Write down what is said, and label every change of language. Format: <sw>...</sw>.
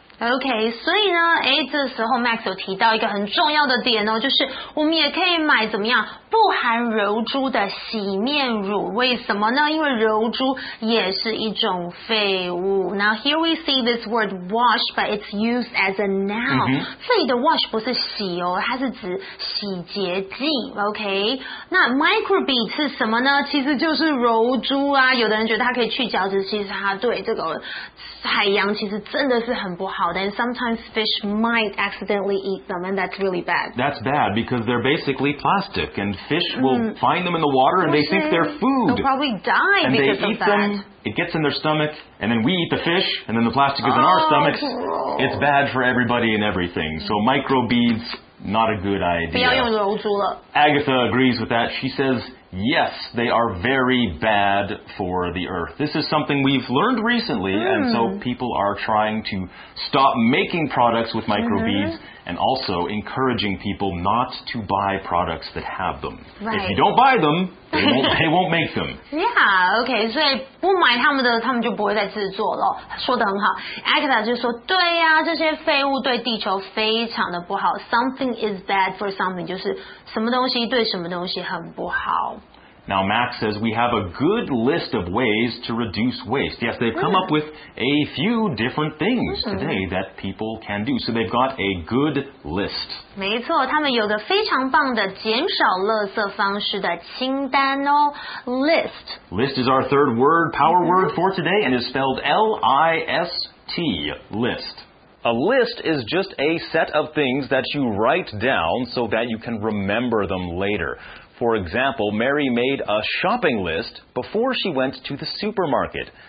<zh>OK, 所以呢，哎，这时候 Max 有提到一个很重要的点哦，就是我们也可以买怎么样不含柔珠的洗面乳。为什么呢？因为柔珠也是一种废物。</zh> <en>Now here we see this word wash, but it's used as a noun.、 Mm-hmm.</en> <zh>这里的 wash 不是洗哦，它是指洗洁剂。 OK, 那 microbeads 是什么呢？其实就是柔珠啊。有的人觉得它可以去角质，其实它对这个海洋其实真的是很不好的。</zh> <en>And sometimes fish might accidentally eat them, and that's really bad. That's bad because they're basically plastic. And fish will find them in the water and they think they're food. They'll probably die and because of that. And they eat them, it gets in their stomach, and then we eat the fish, and then the plastic is in our stomachs. Gross. It's bad for everybody and everything. So microbeads, not a good idea.</en> <zh>不要用柔珠了。</zh> <en>Agatha agrees with that. She says, yes, they are very bad for the earth. This is something we've learned recently, and so people are trying to stop making products with microbeads. And also encouraging people not to buy products that have them.、 Right. If you don't buy them, they won't make them. Yeah, okay.</en> <zh>所以不买他们的，他们就不会再制作了。说得很好。Agatha 就说，对呀、啊，这些废物对地球非常的不好。</zh> <en>Something is bad for something,</en> <zh>就是什么东西对什么东西很不好。</zh> <en>Now Max says, we have a good list of ways to reduce waste. Yes, they've come up with a few different things today that people can do. So they've got a good list.</en> <zh>没错，他们有个非常棒的减少垃圾方式的清单哦。</zh> <en>List. List is our third word, power word for today, and is spelled L-I-S-T, list. A list is just a set of things that you write down so that you can remember them later. For example, Mary made a shopping list before she went to the supermarket.</en>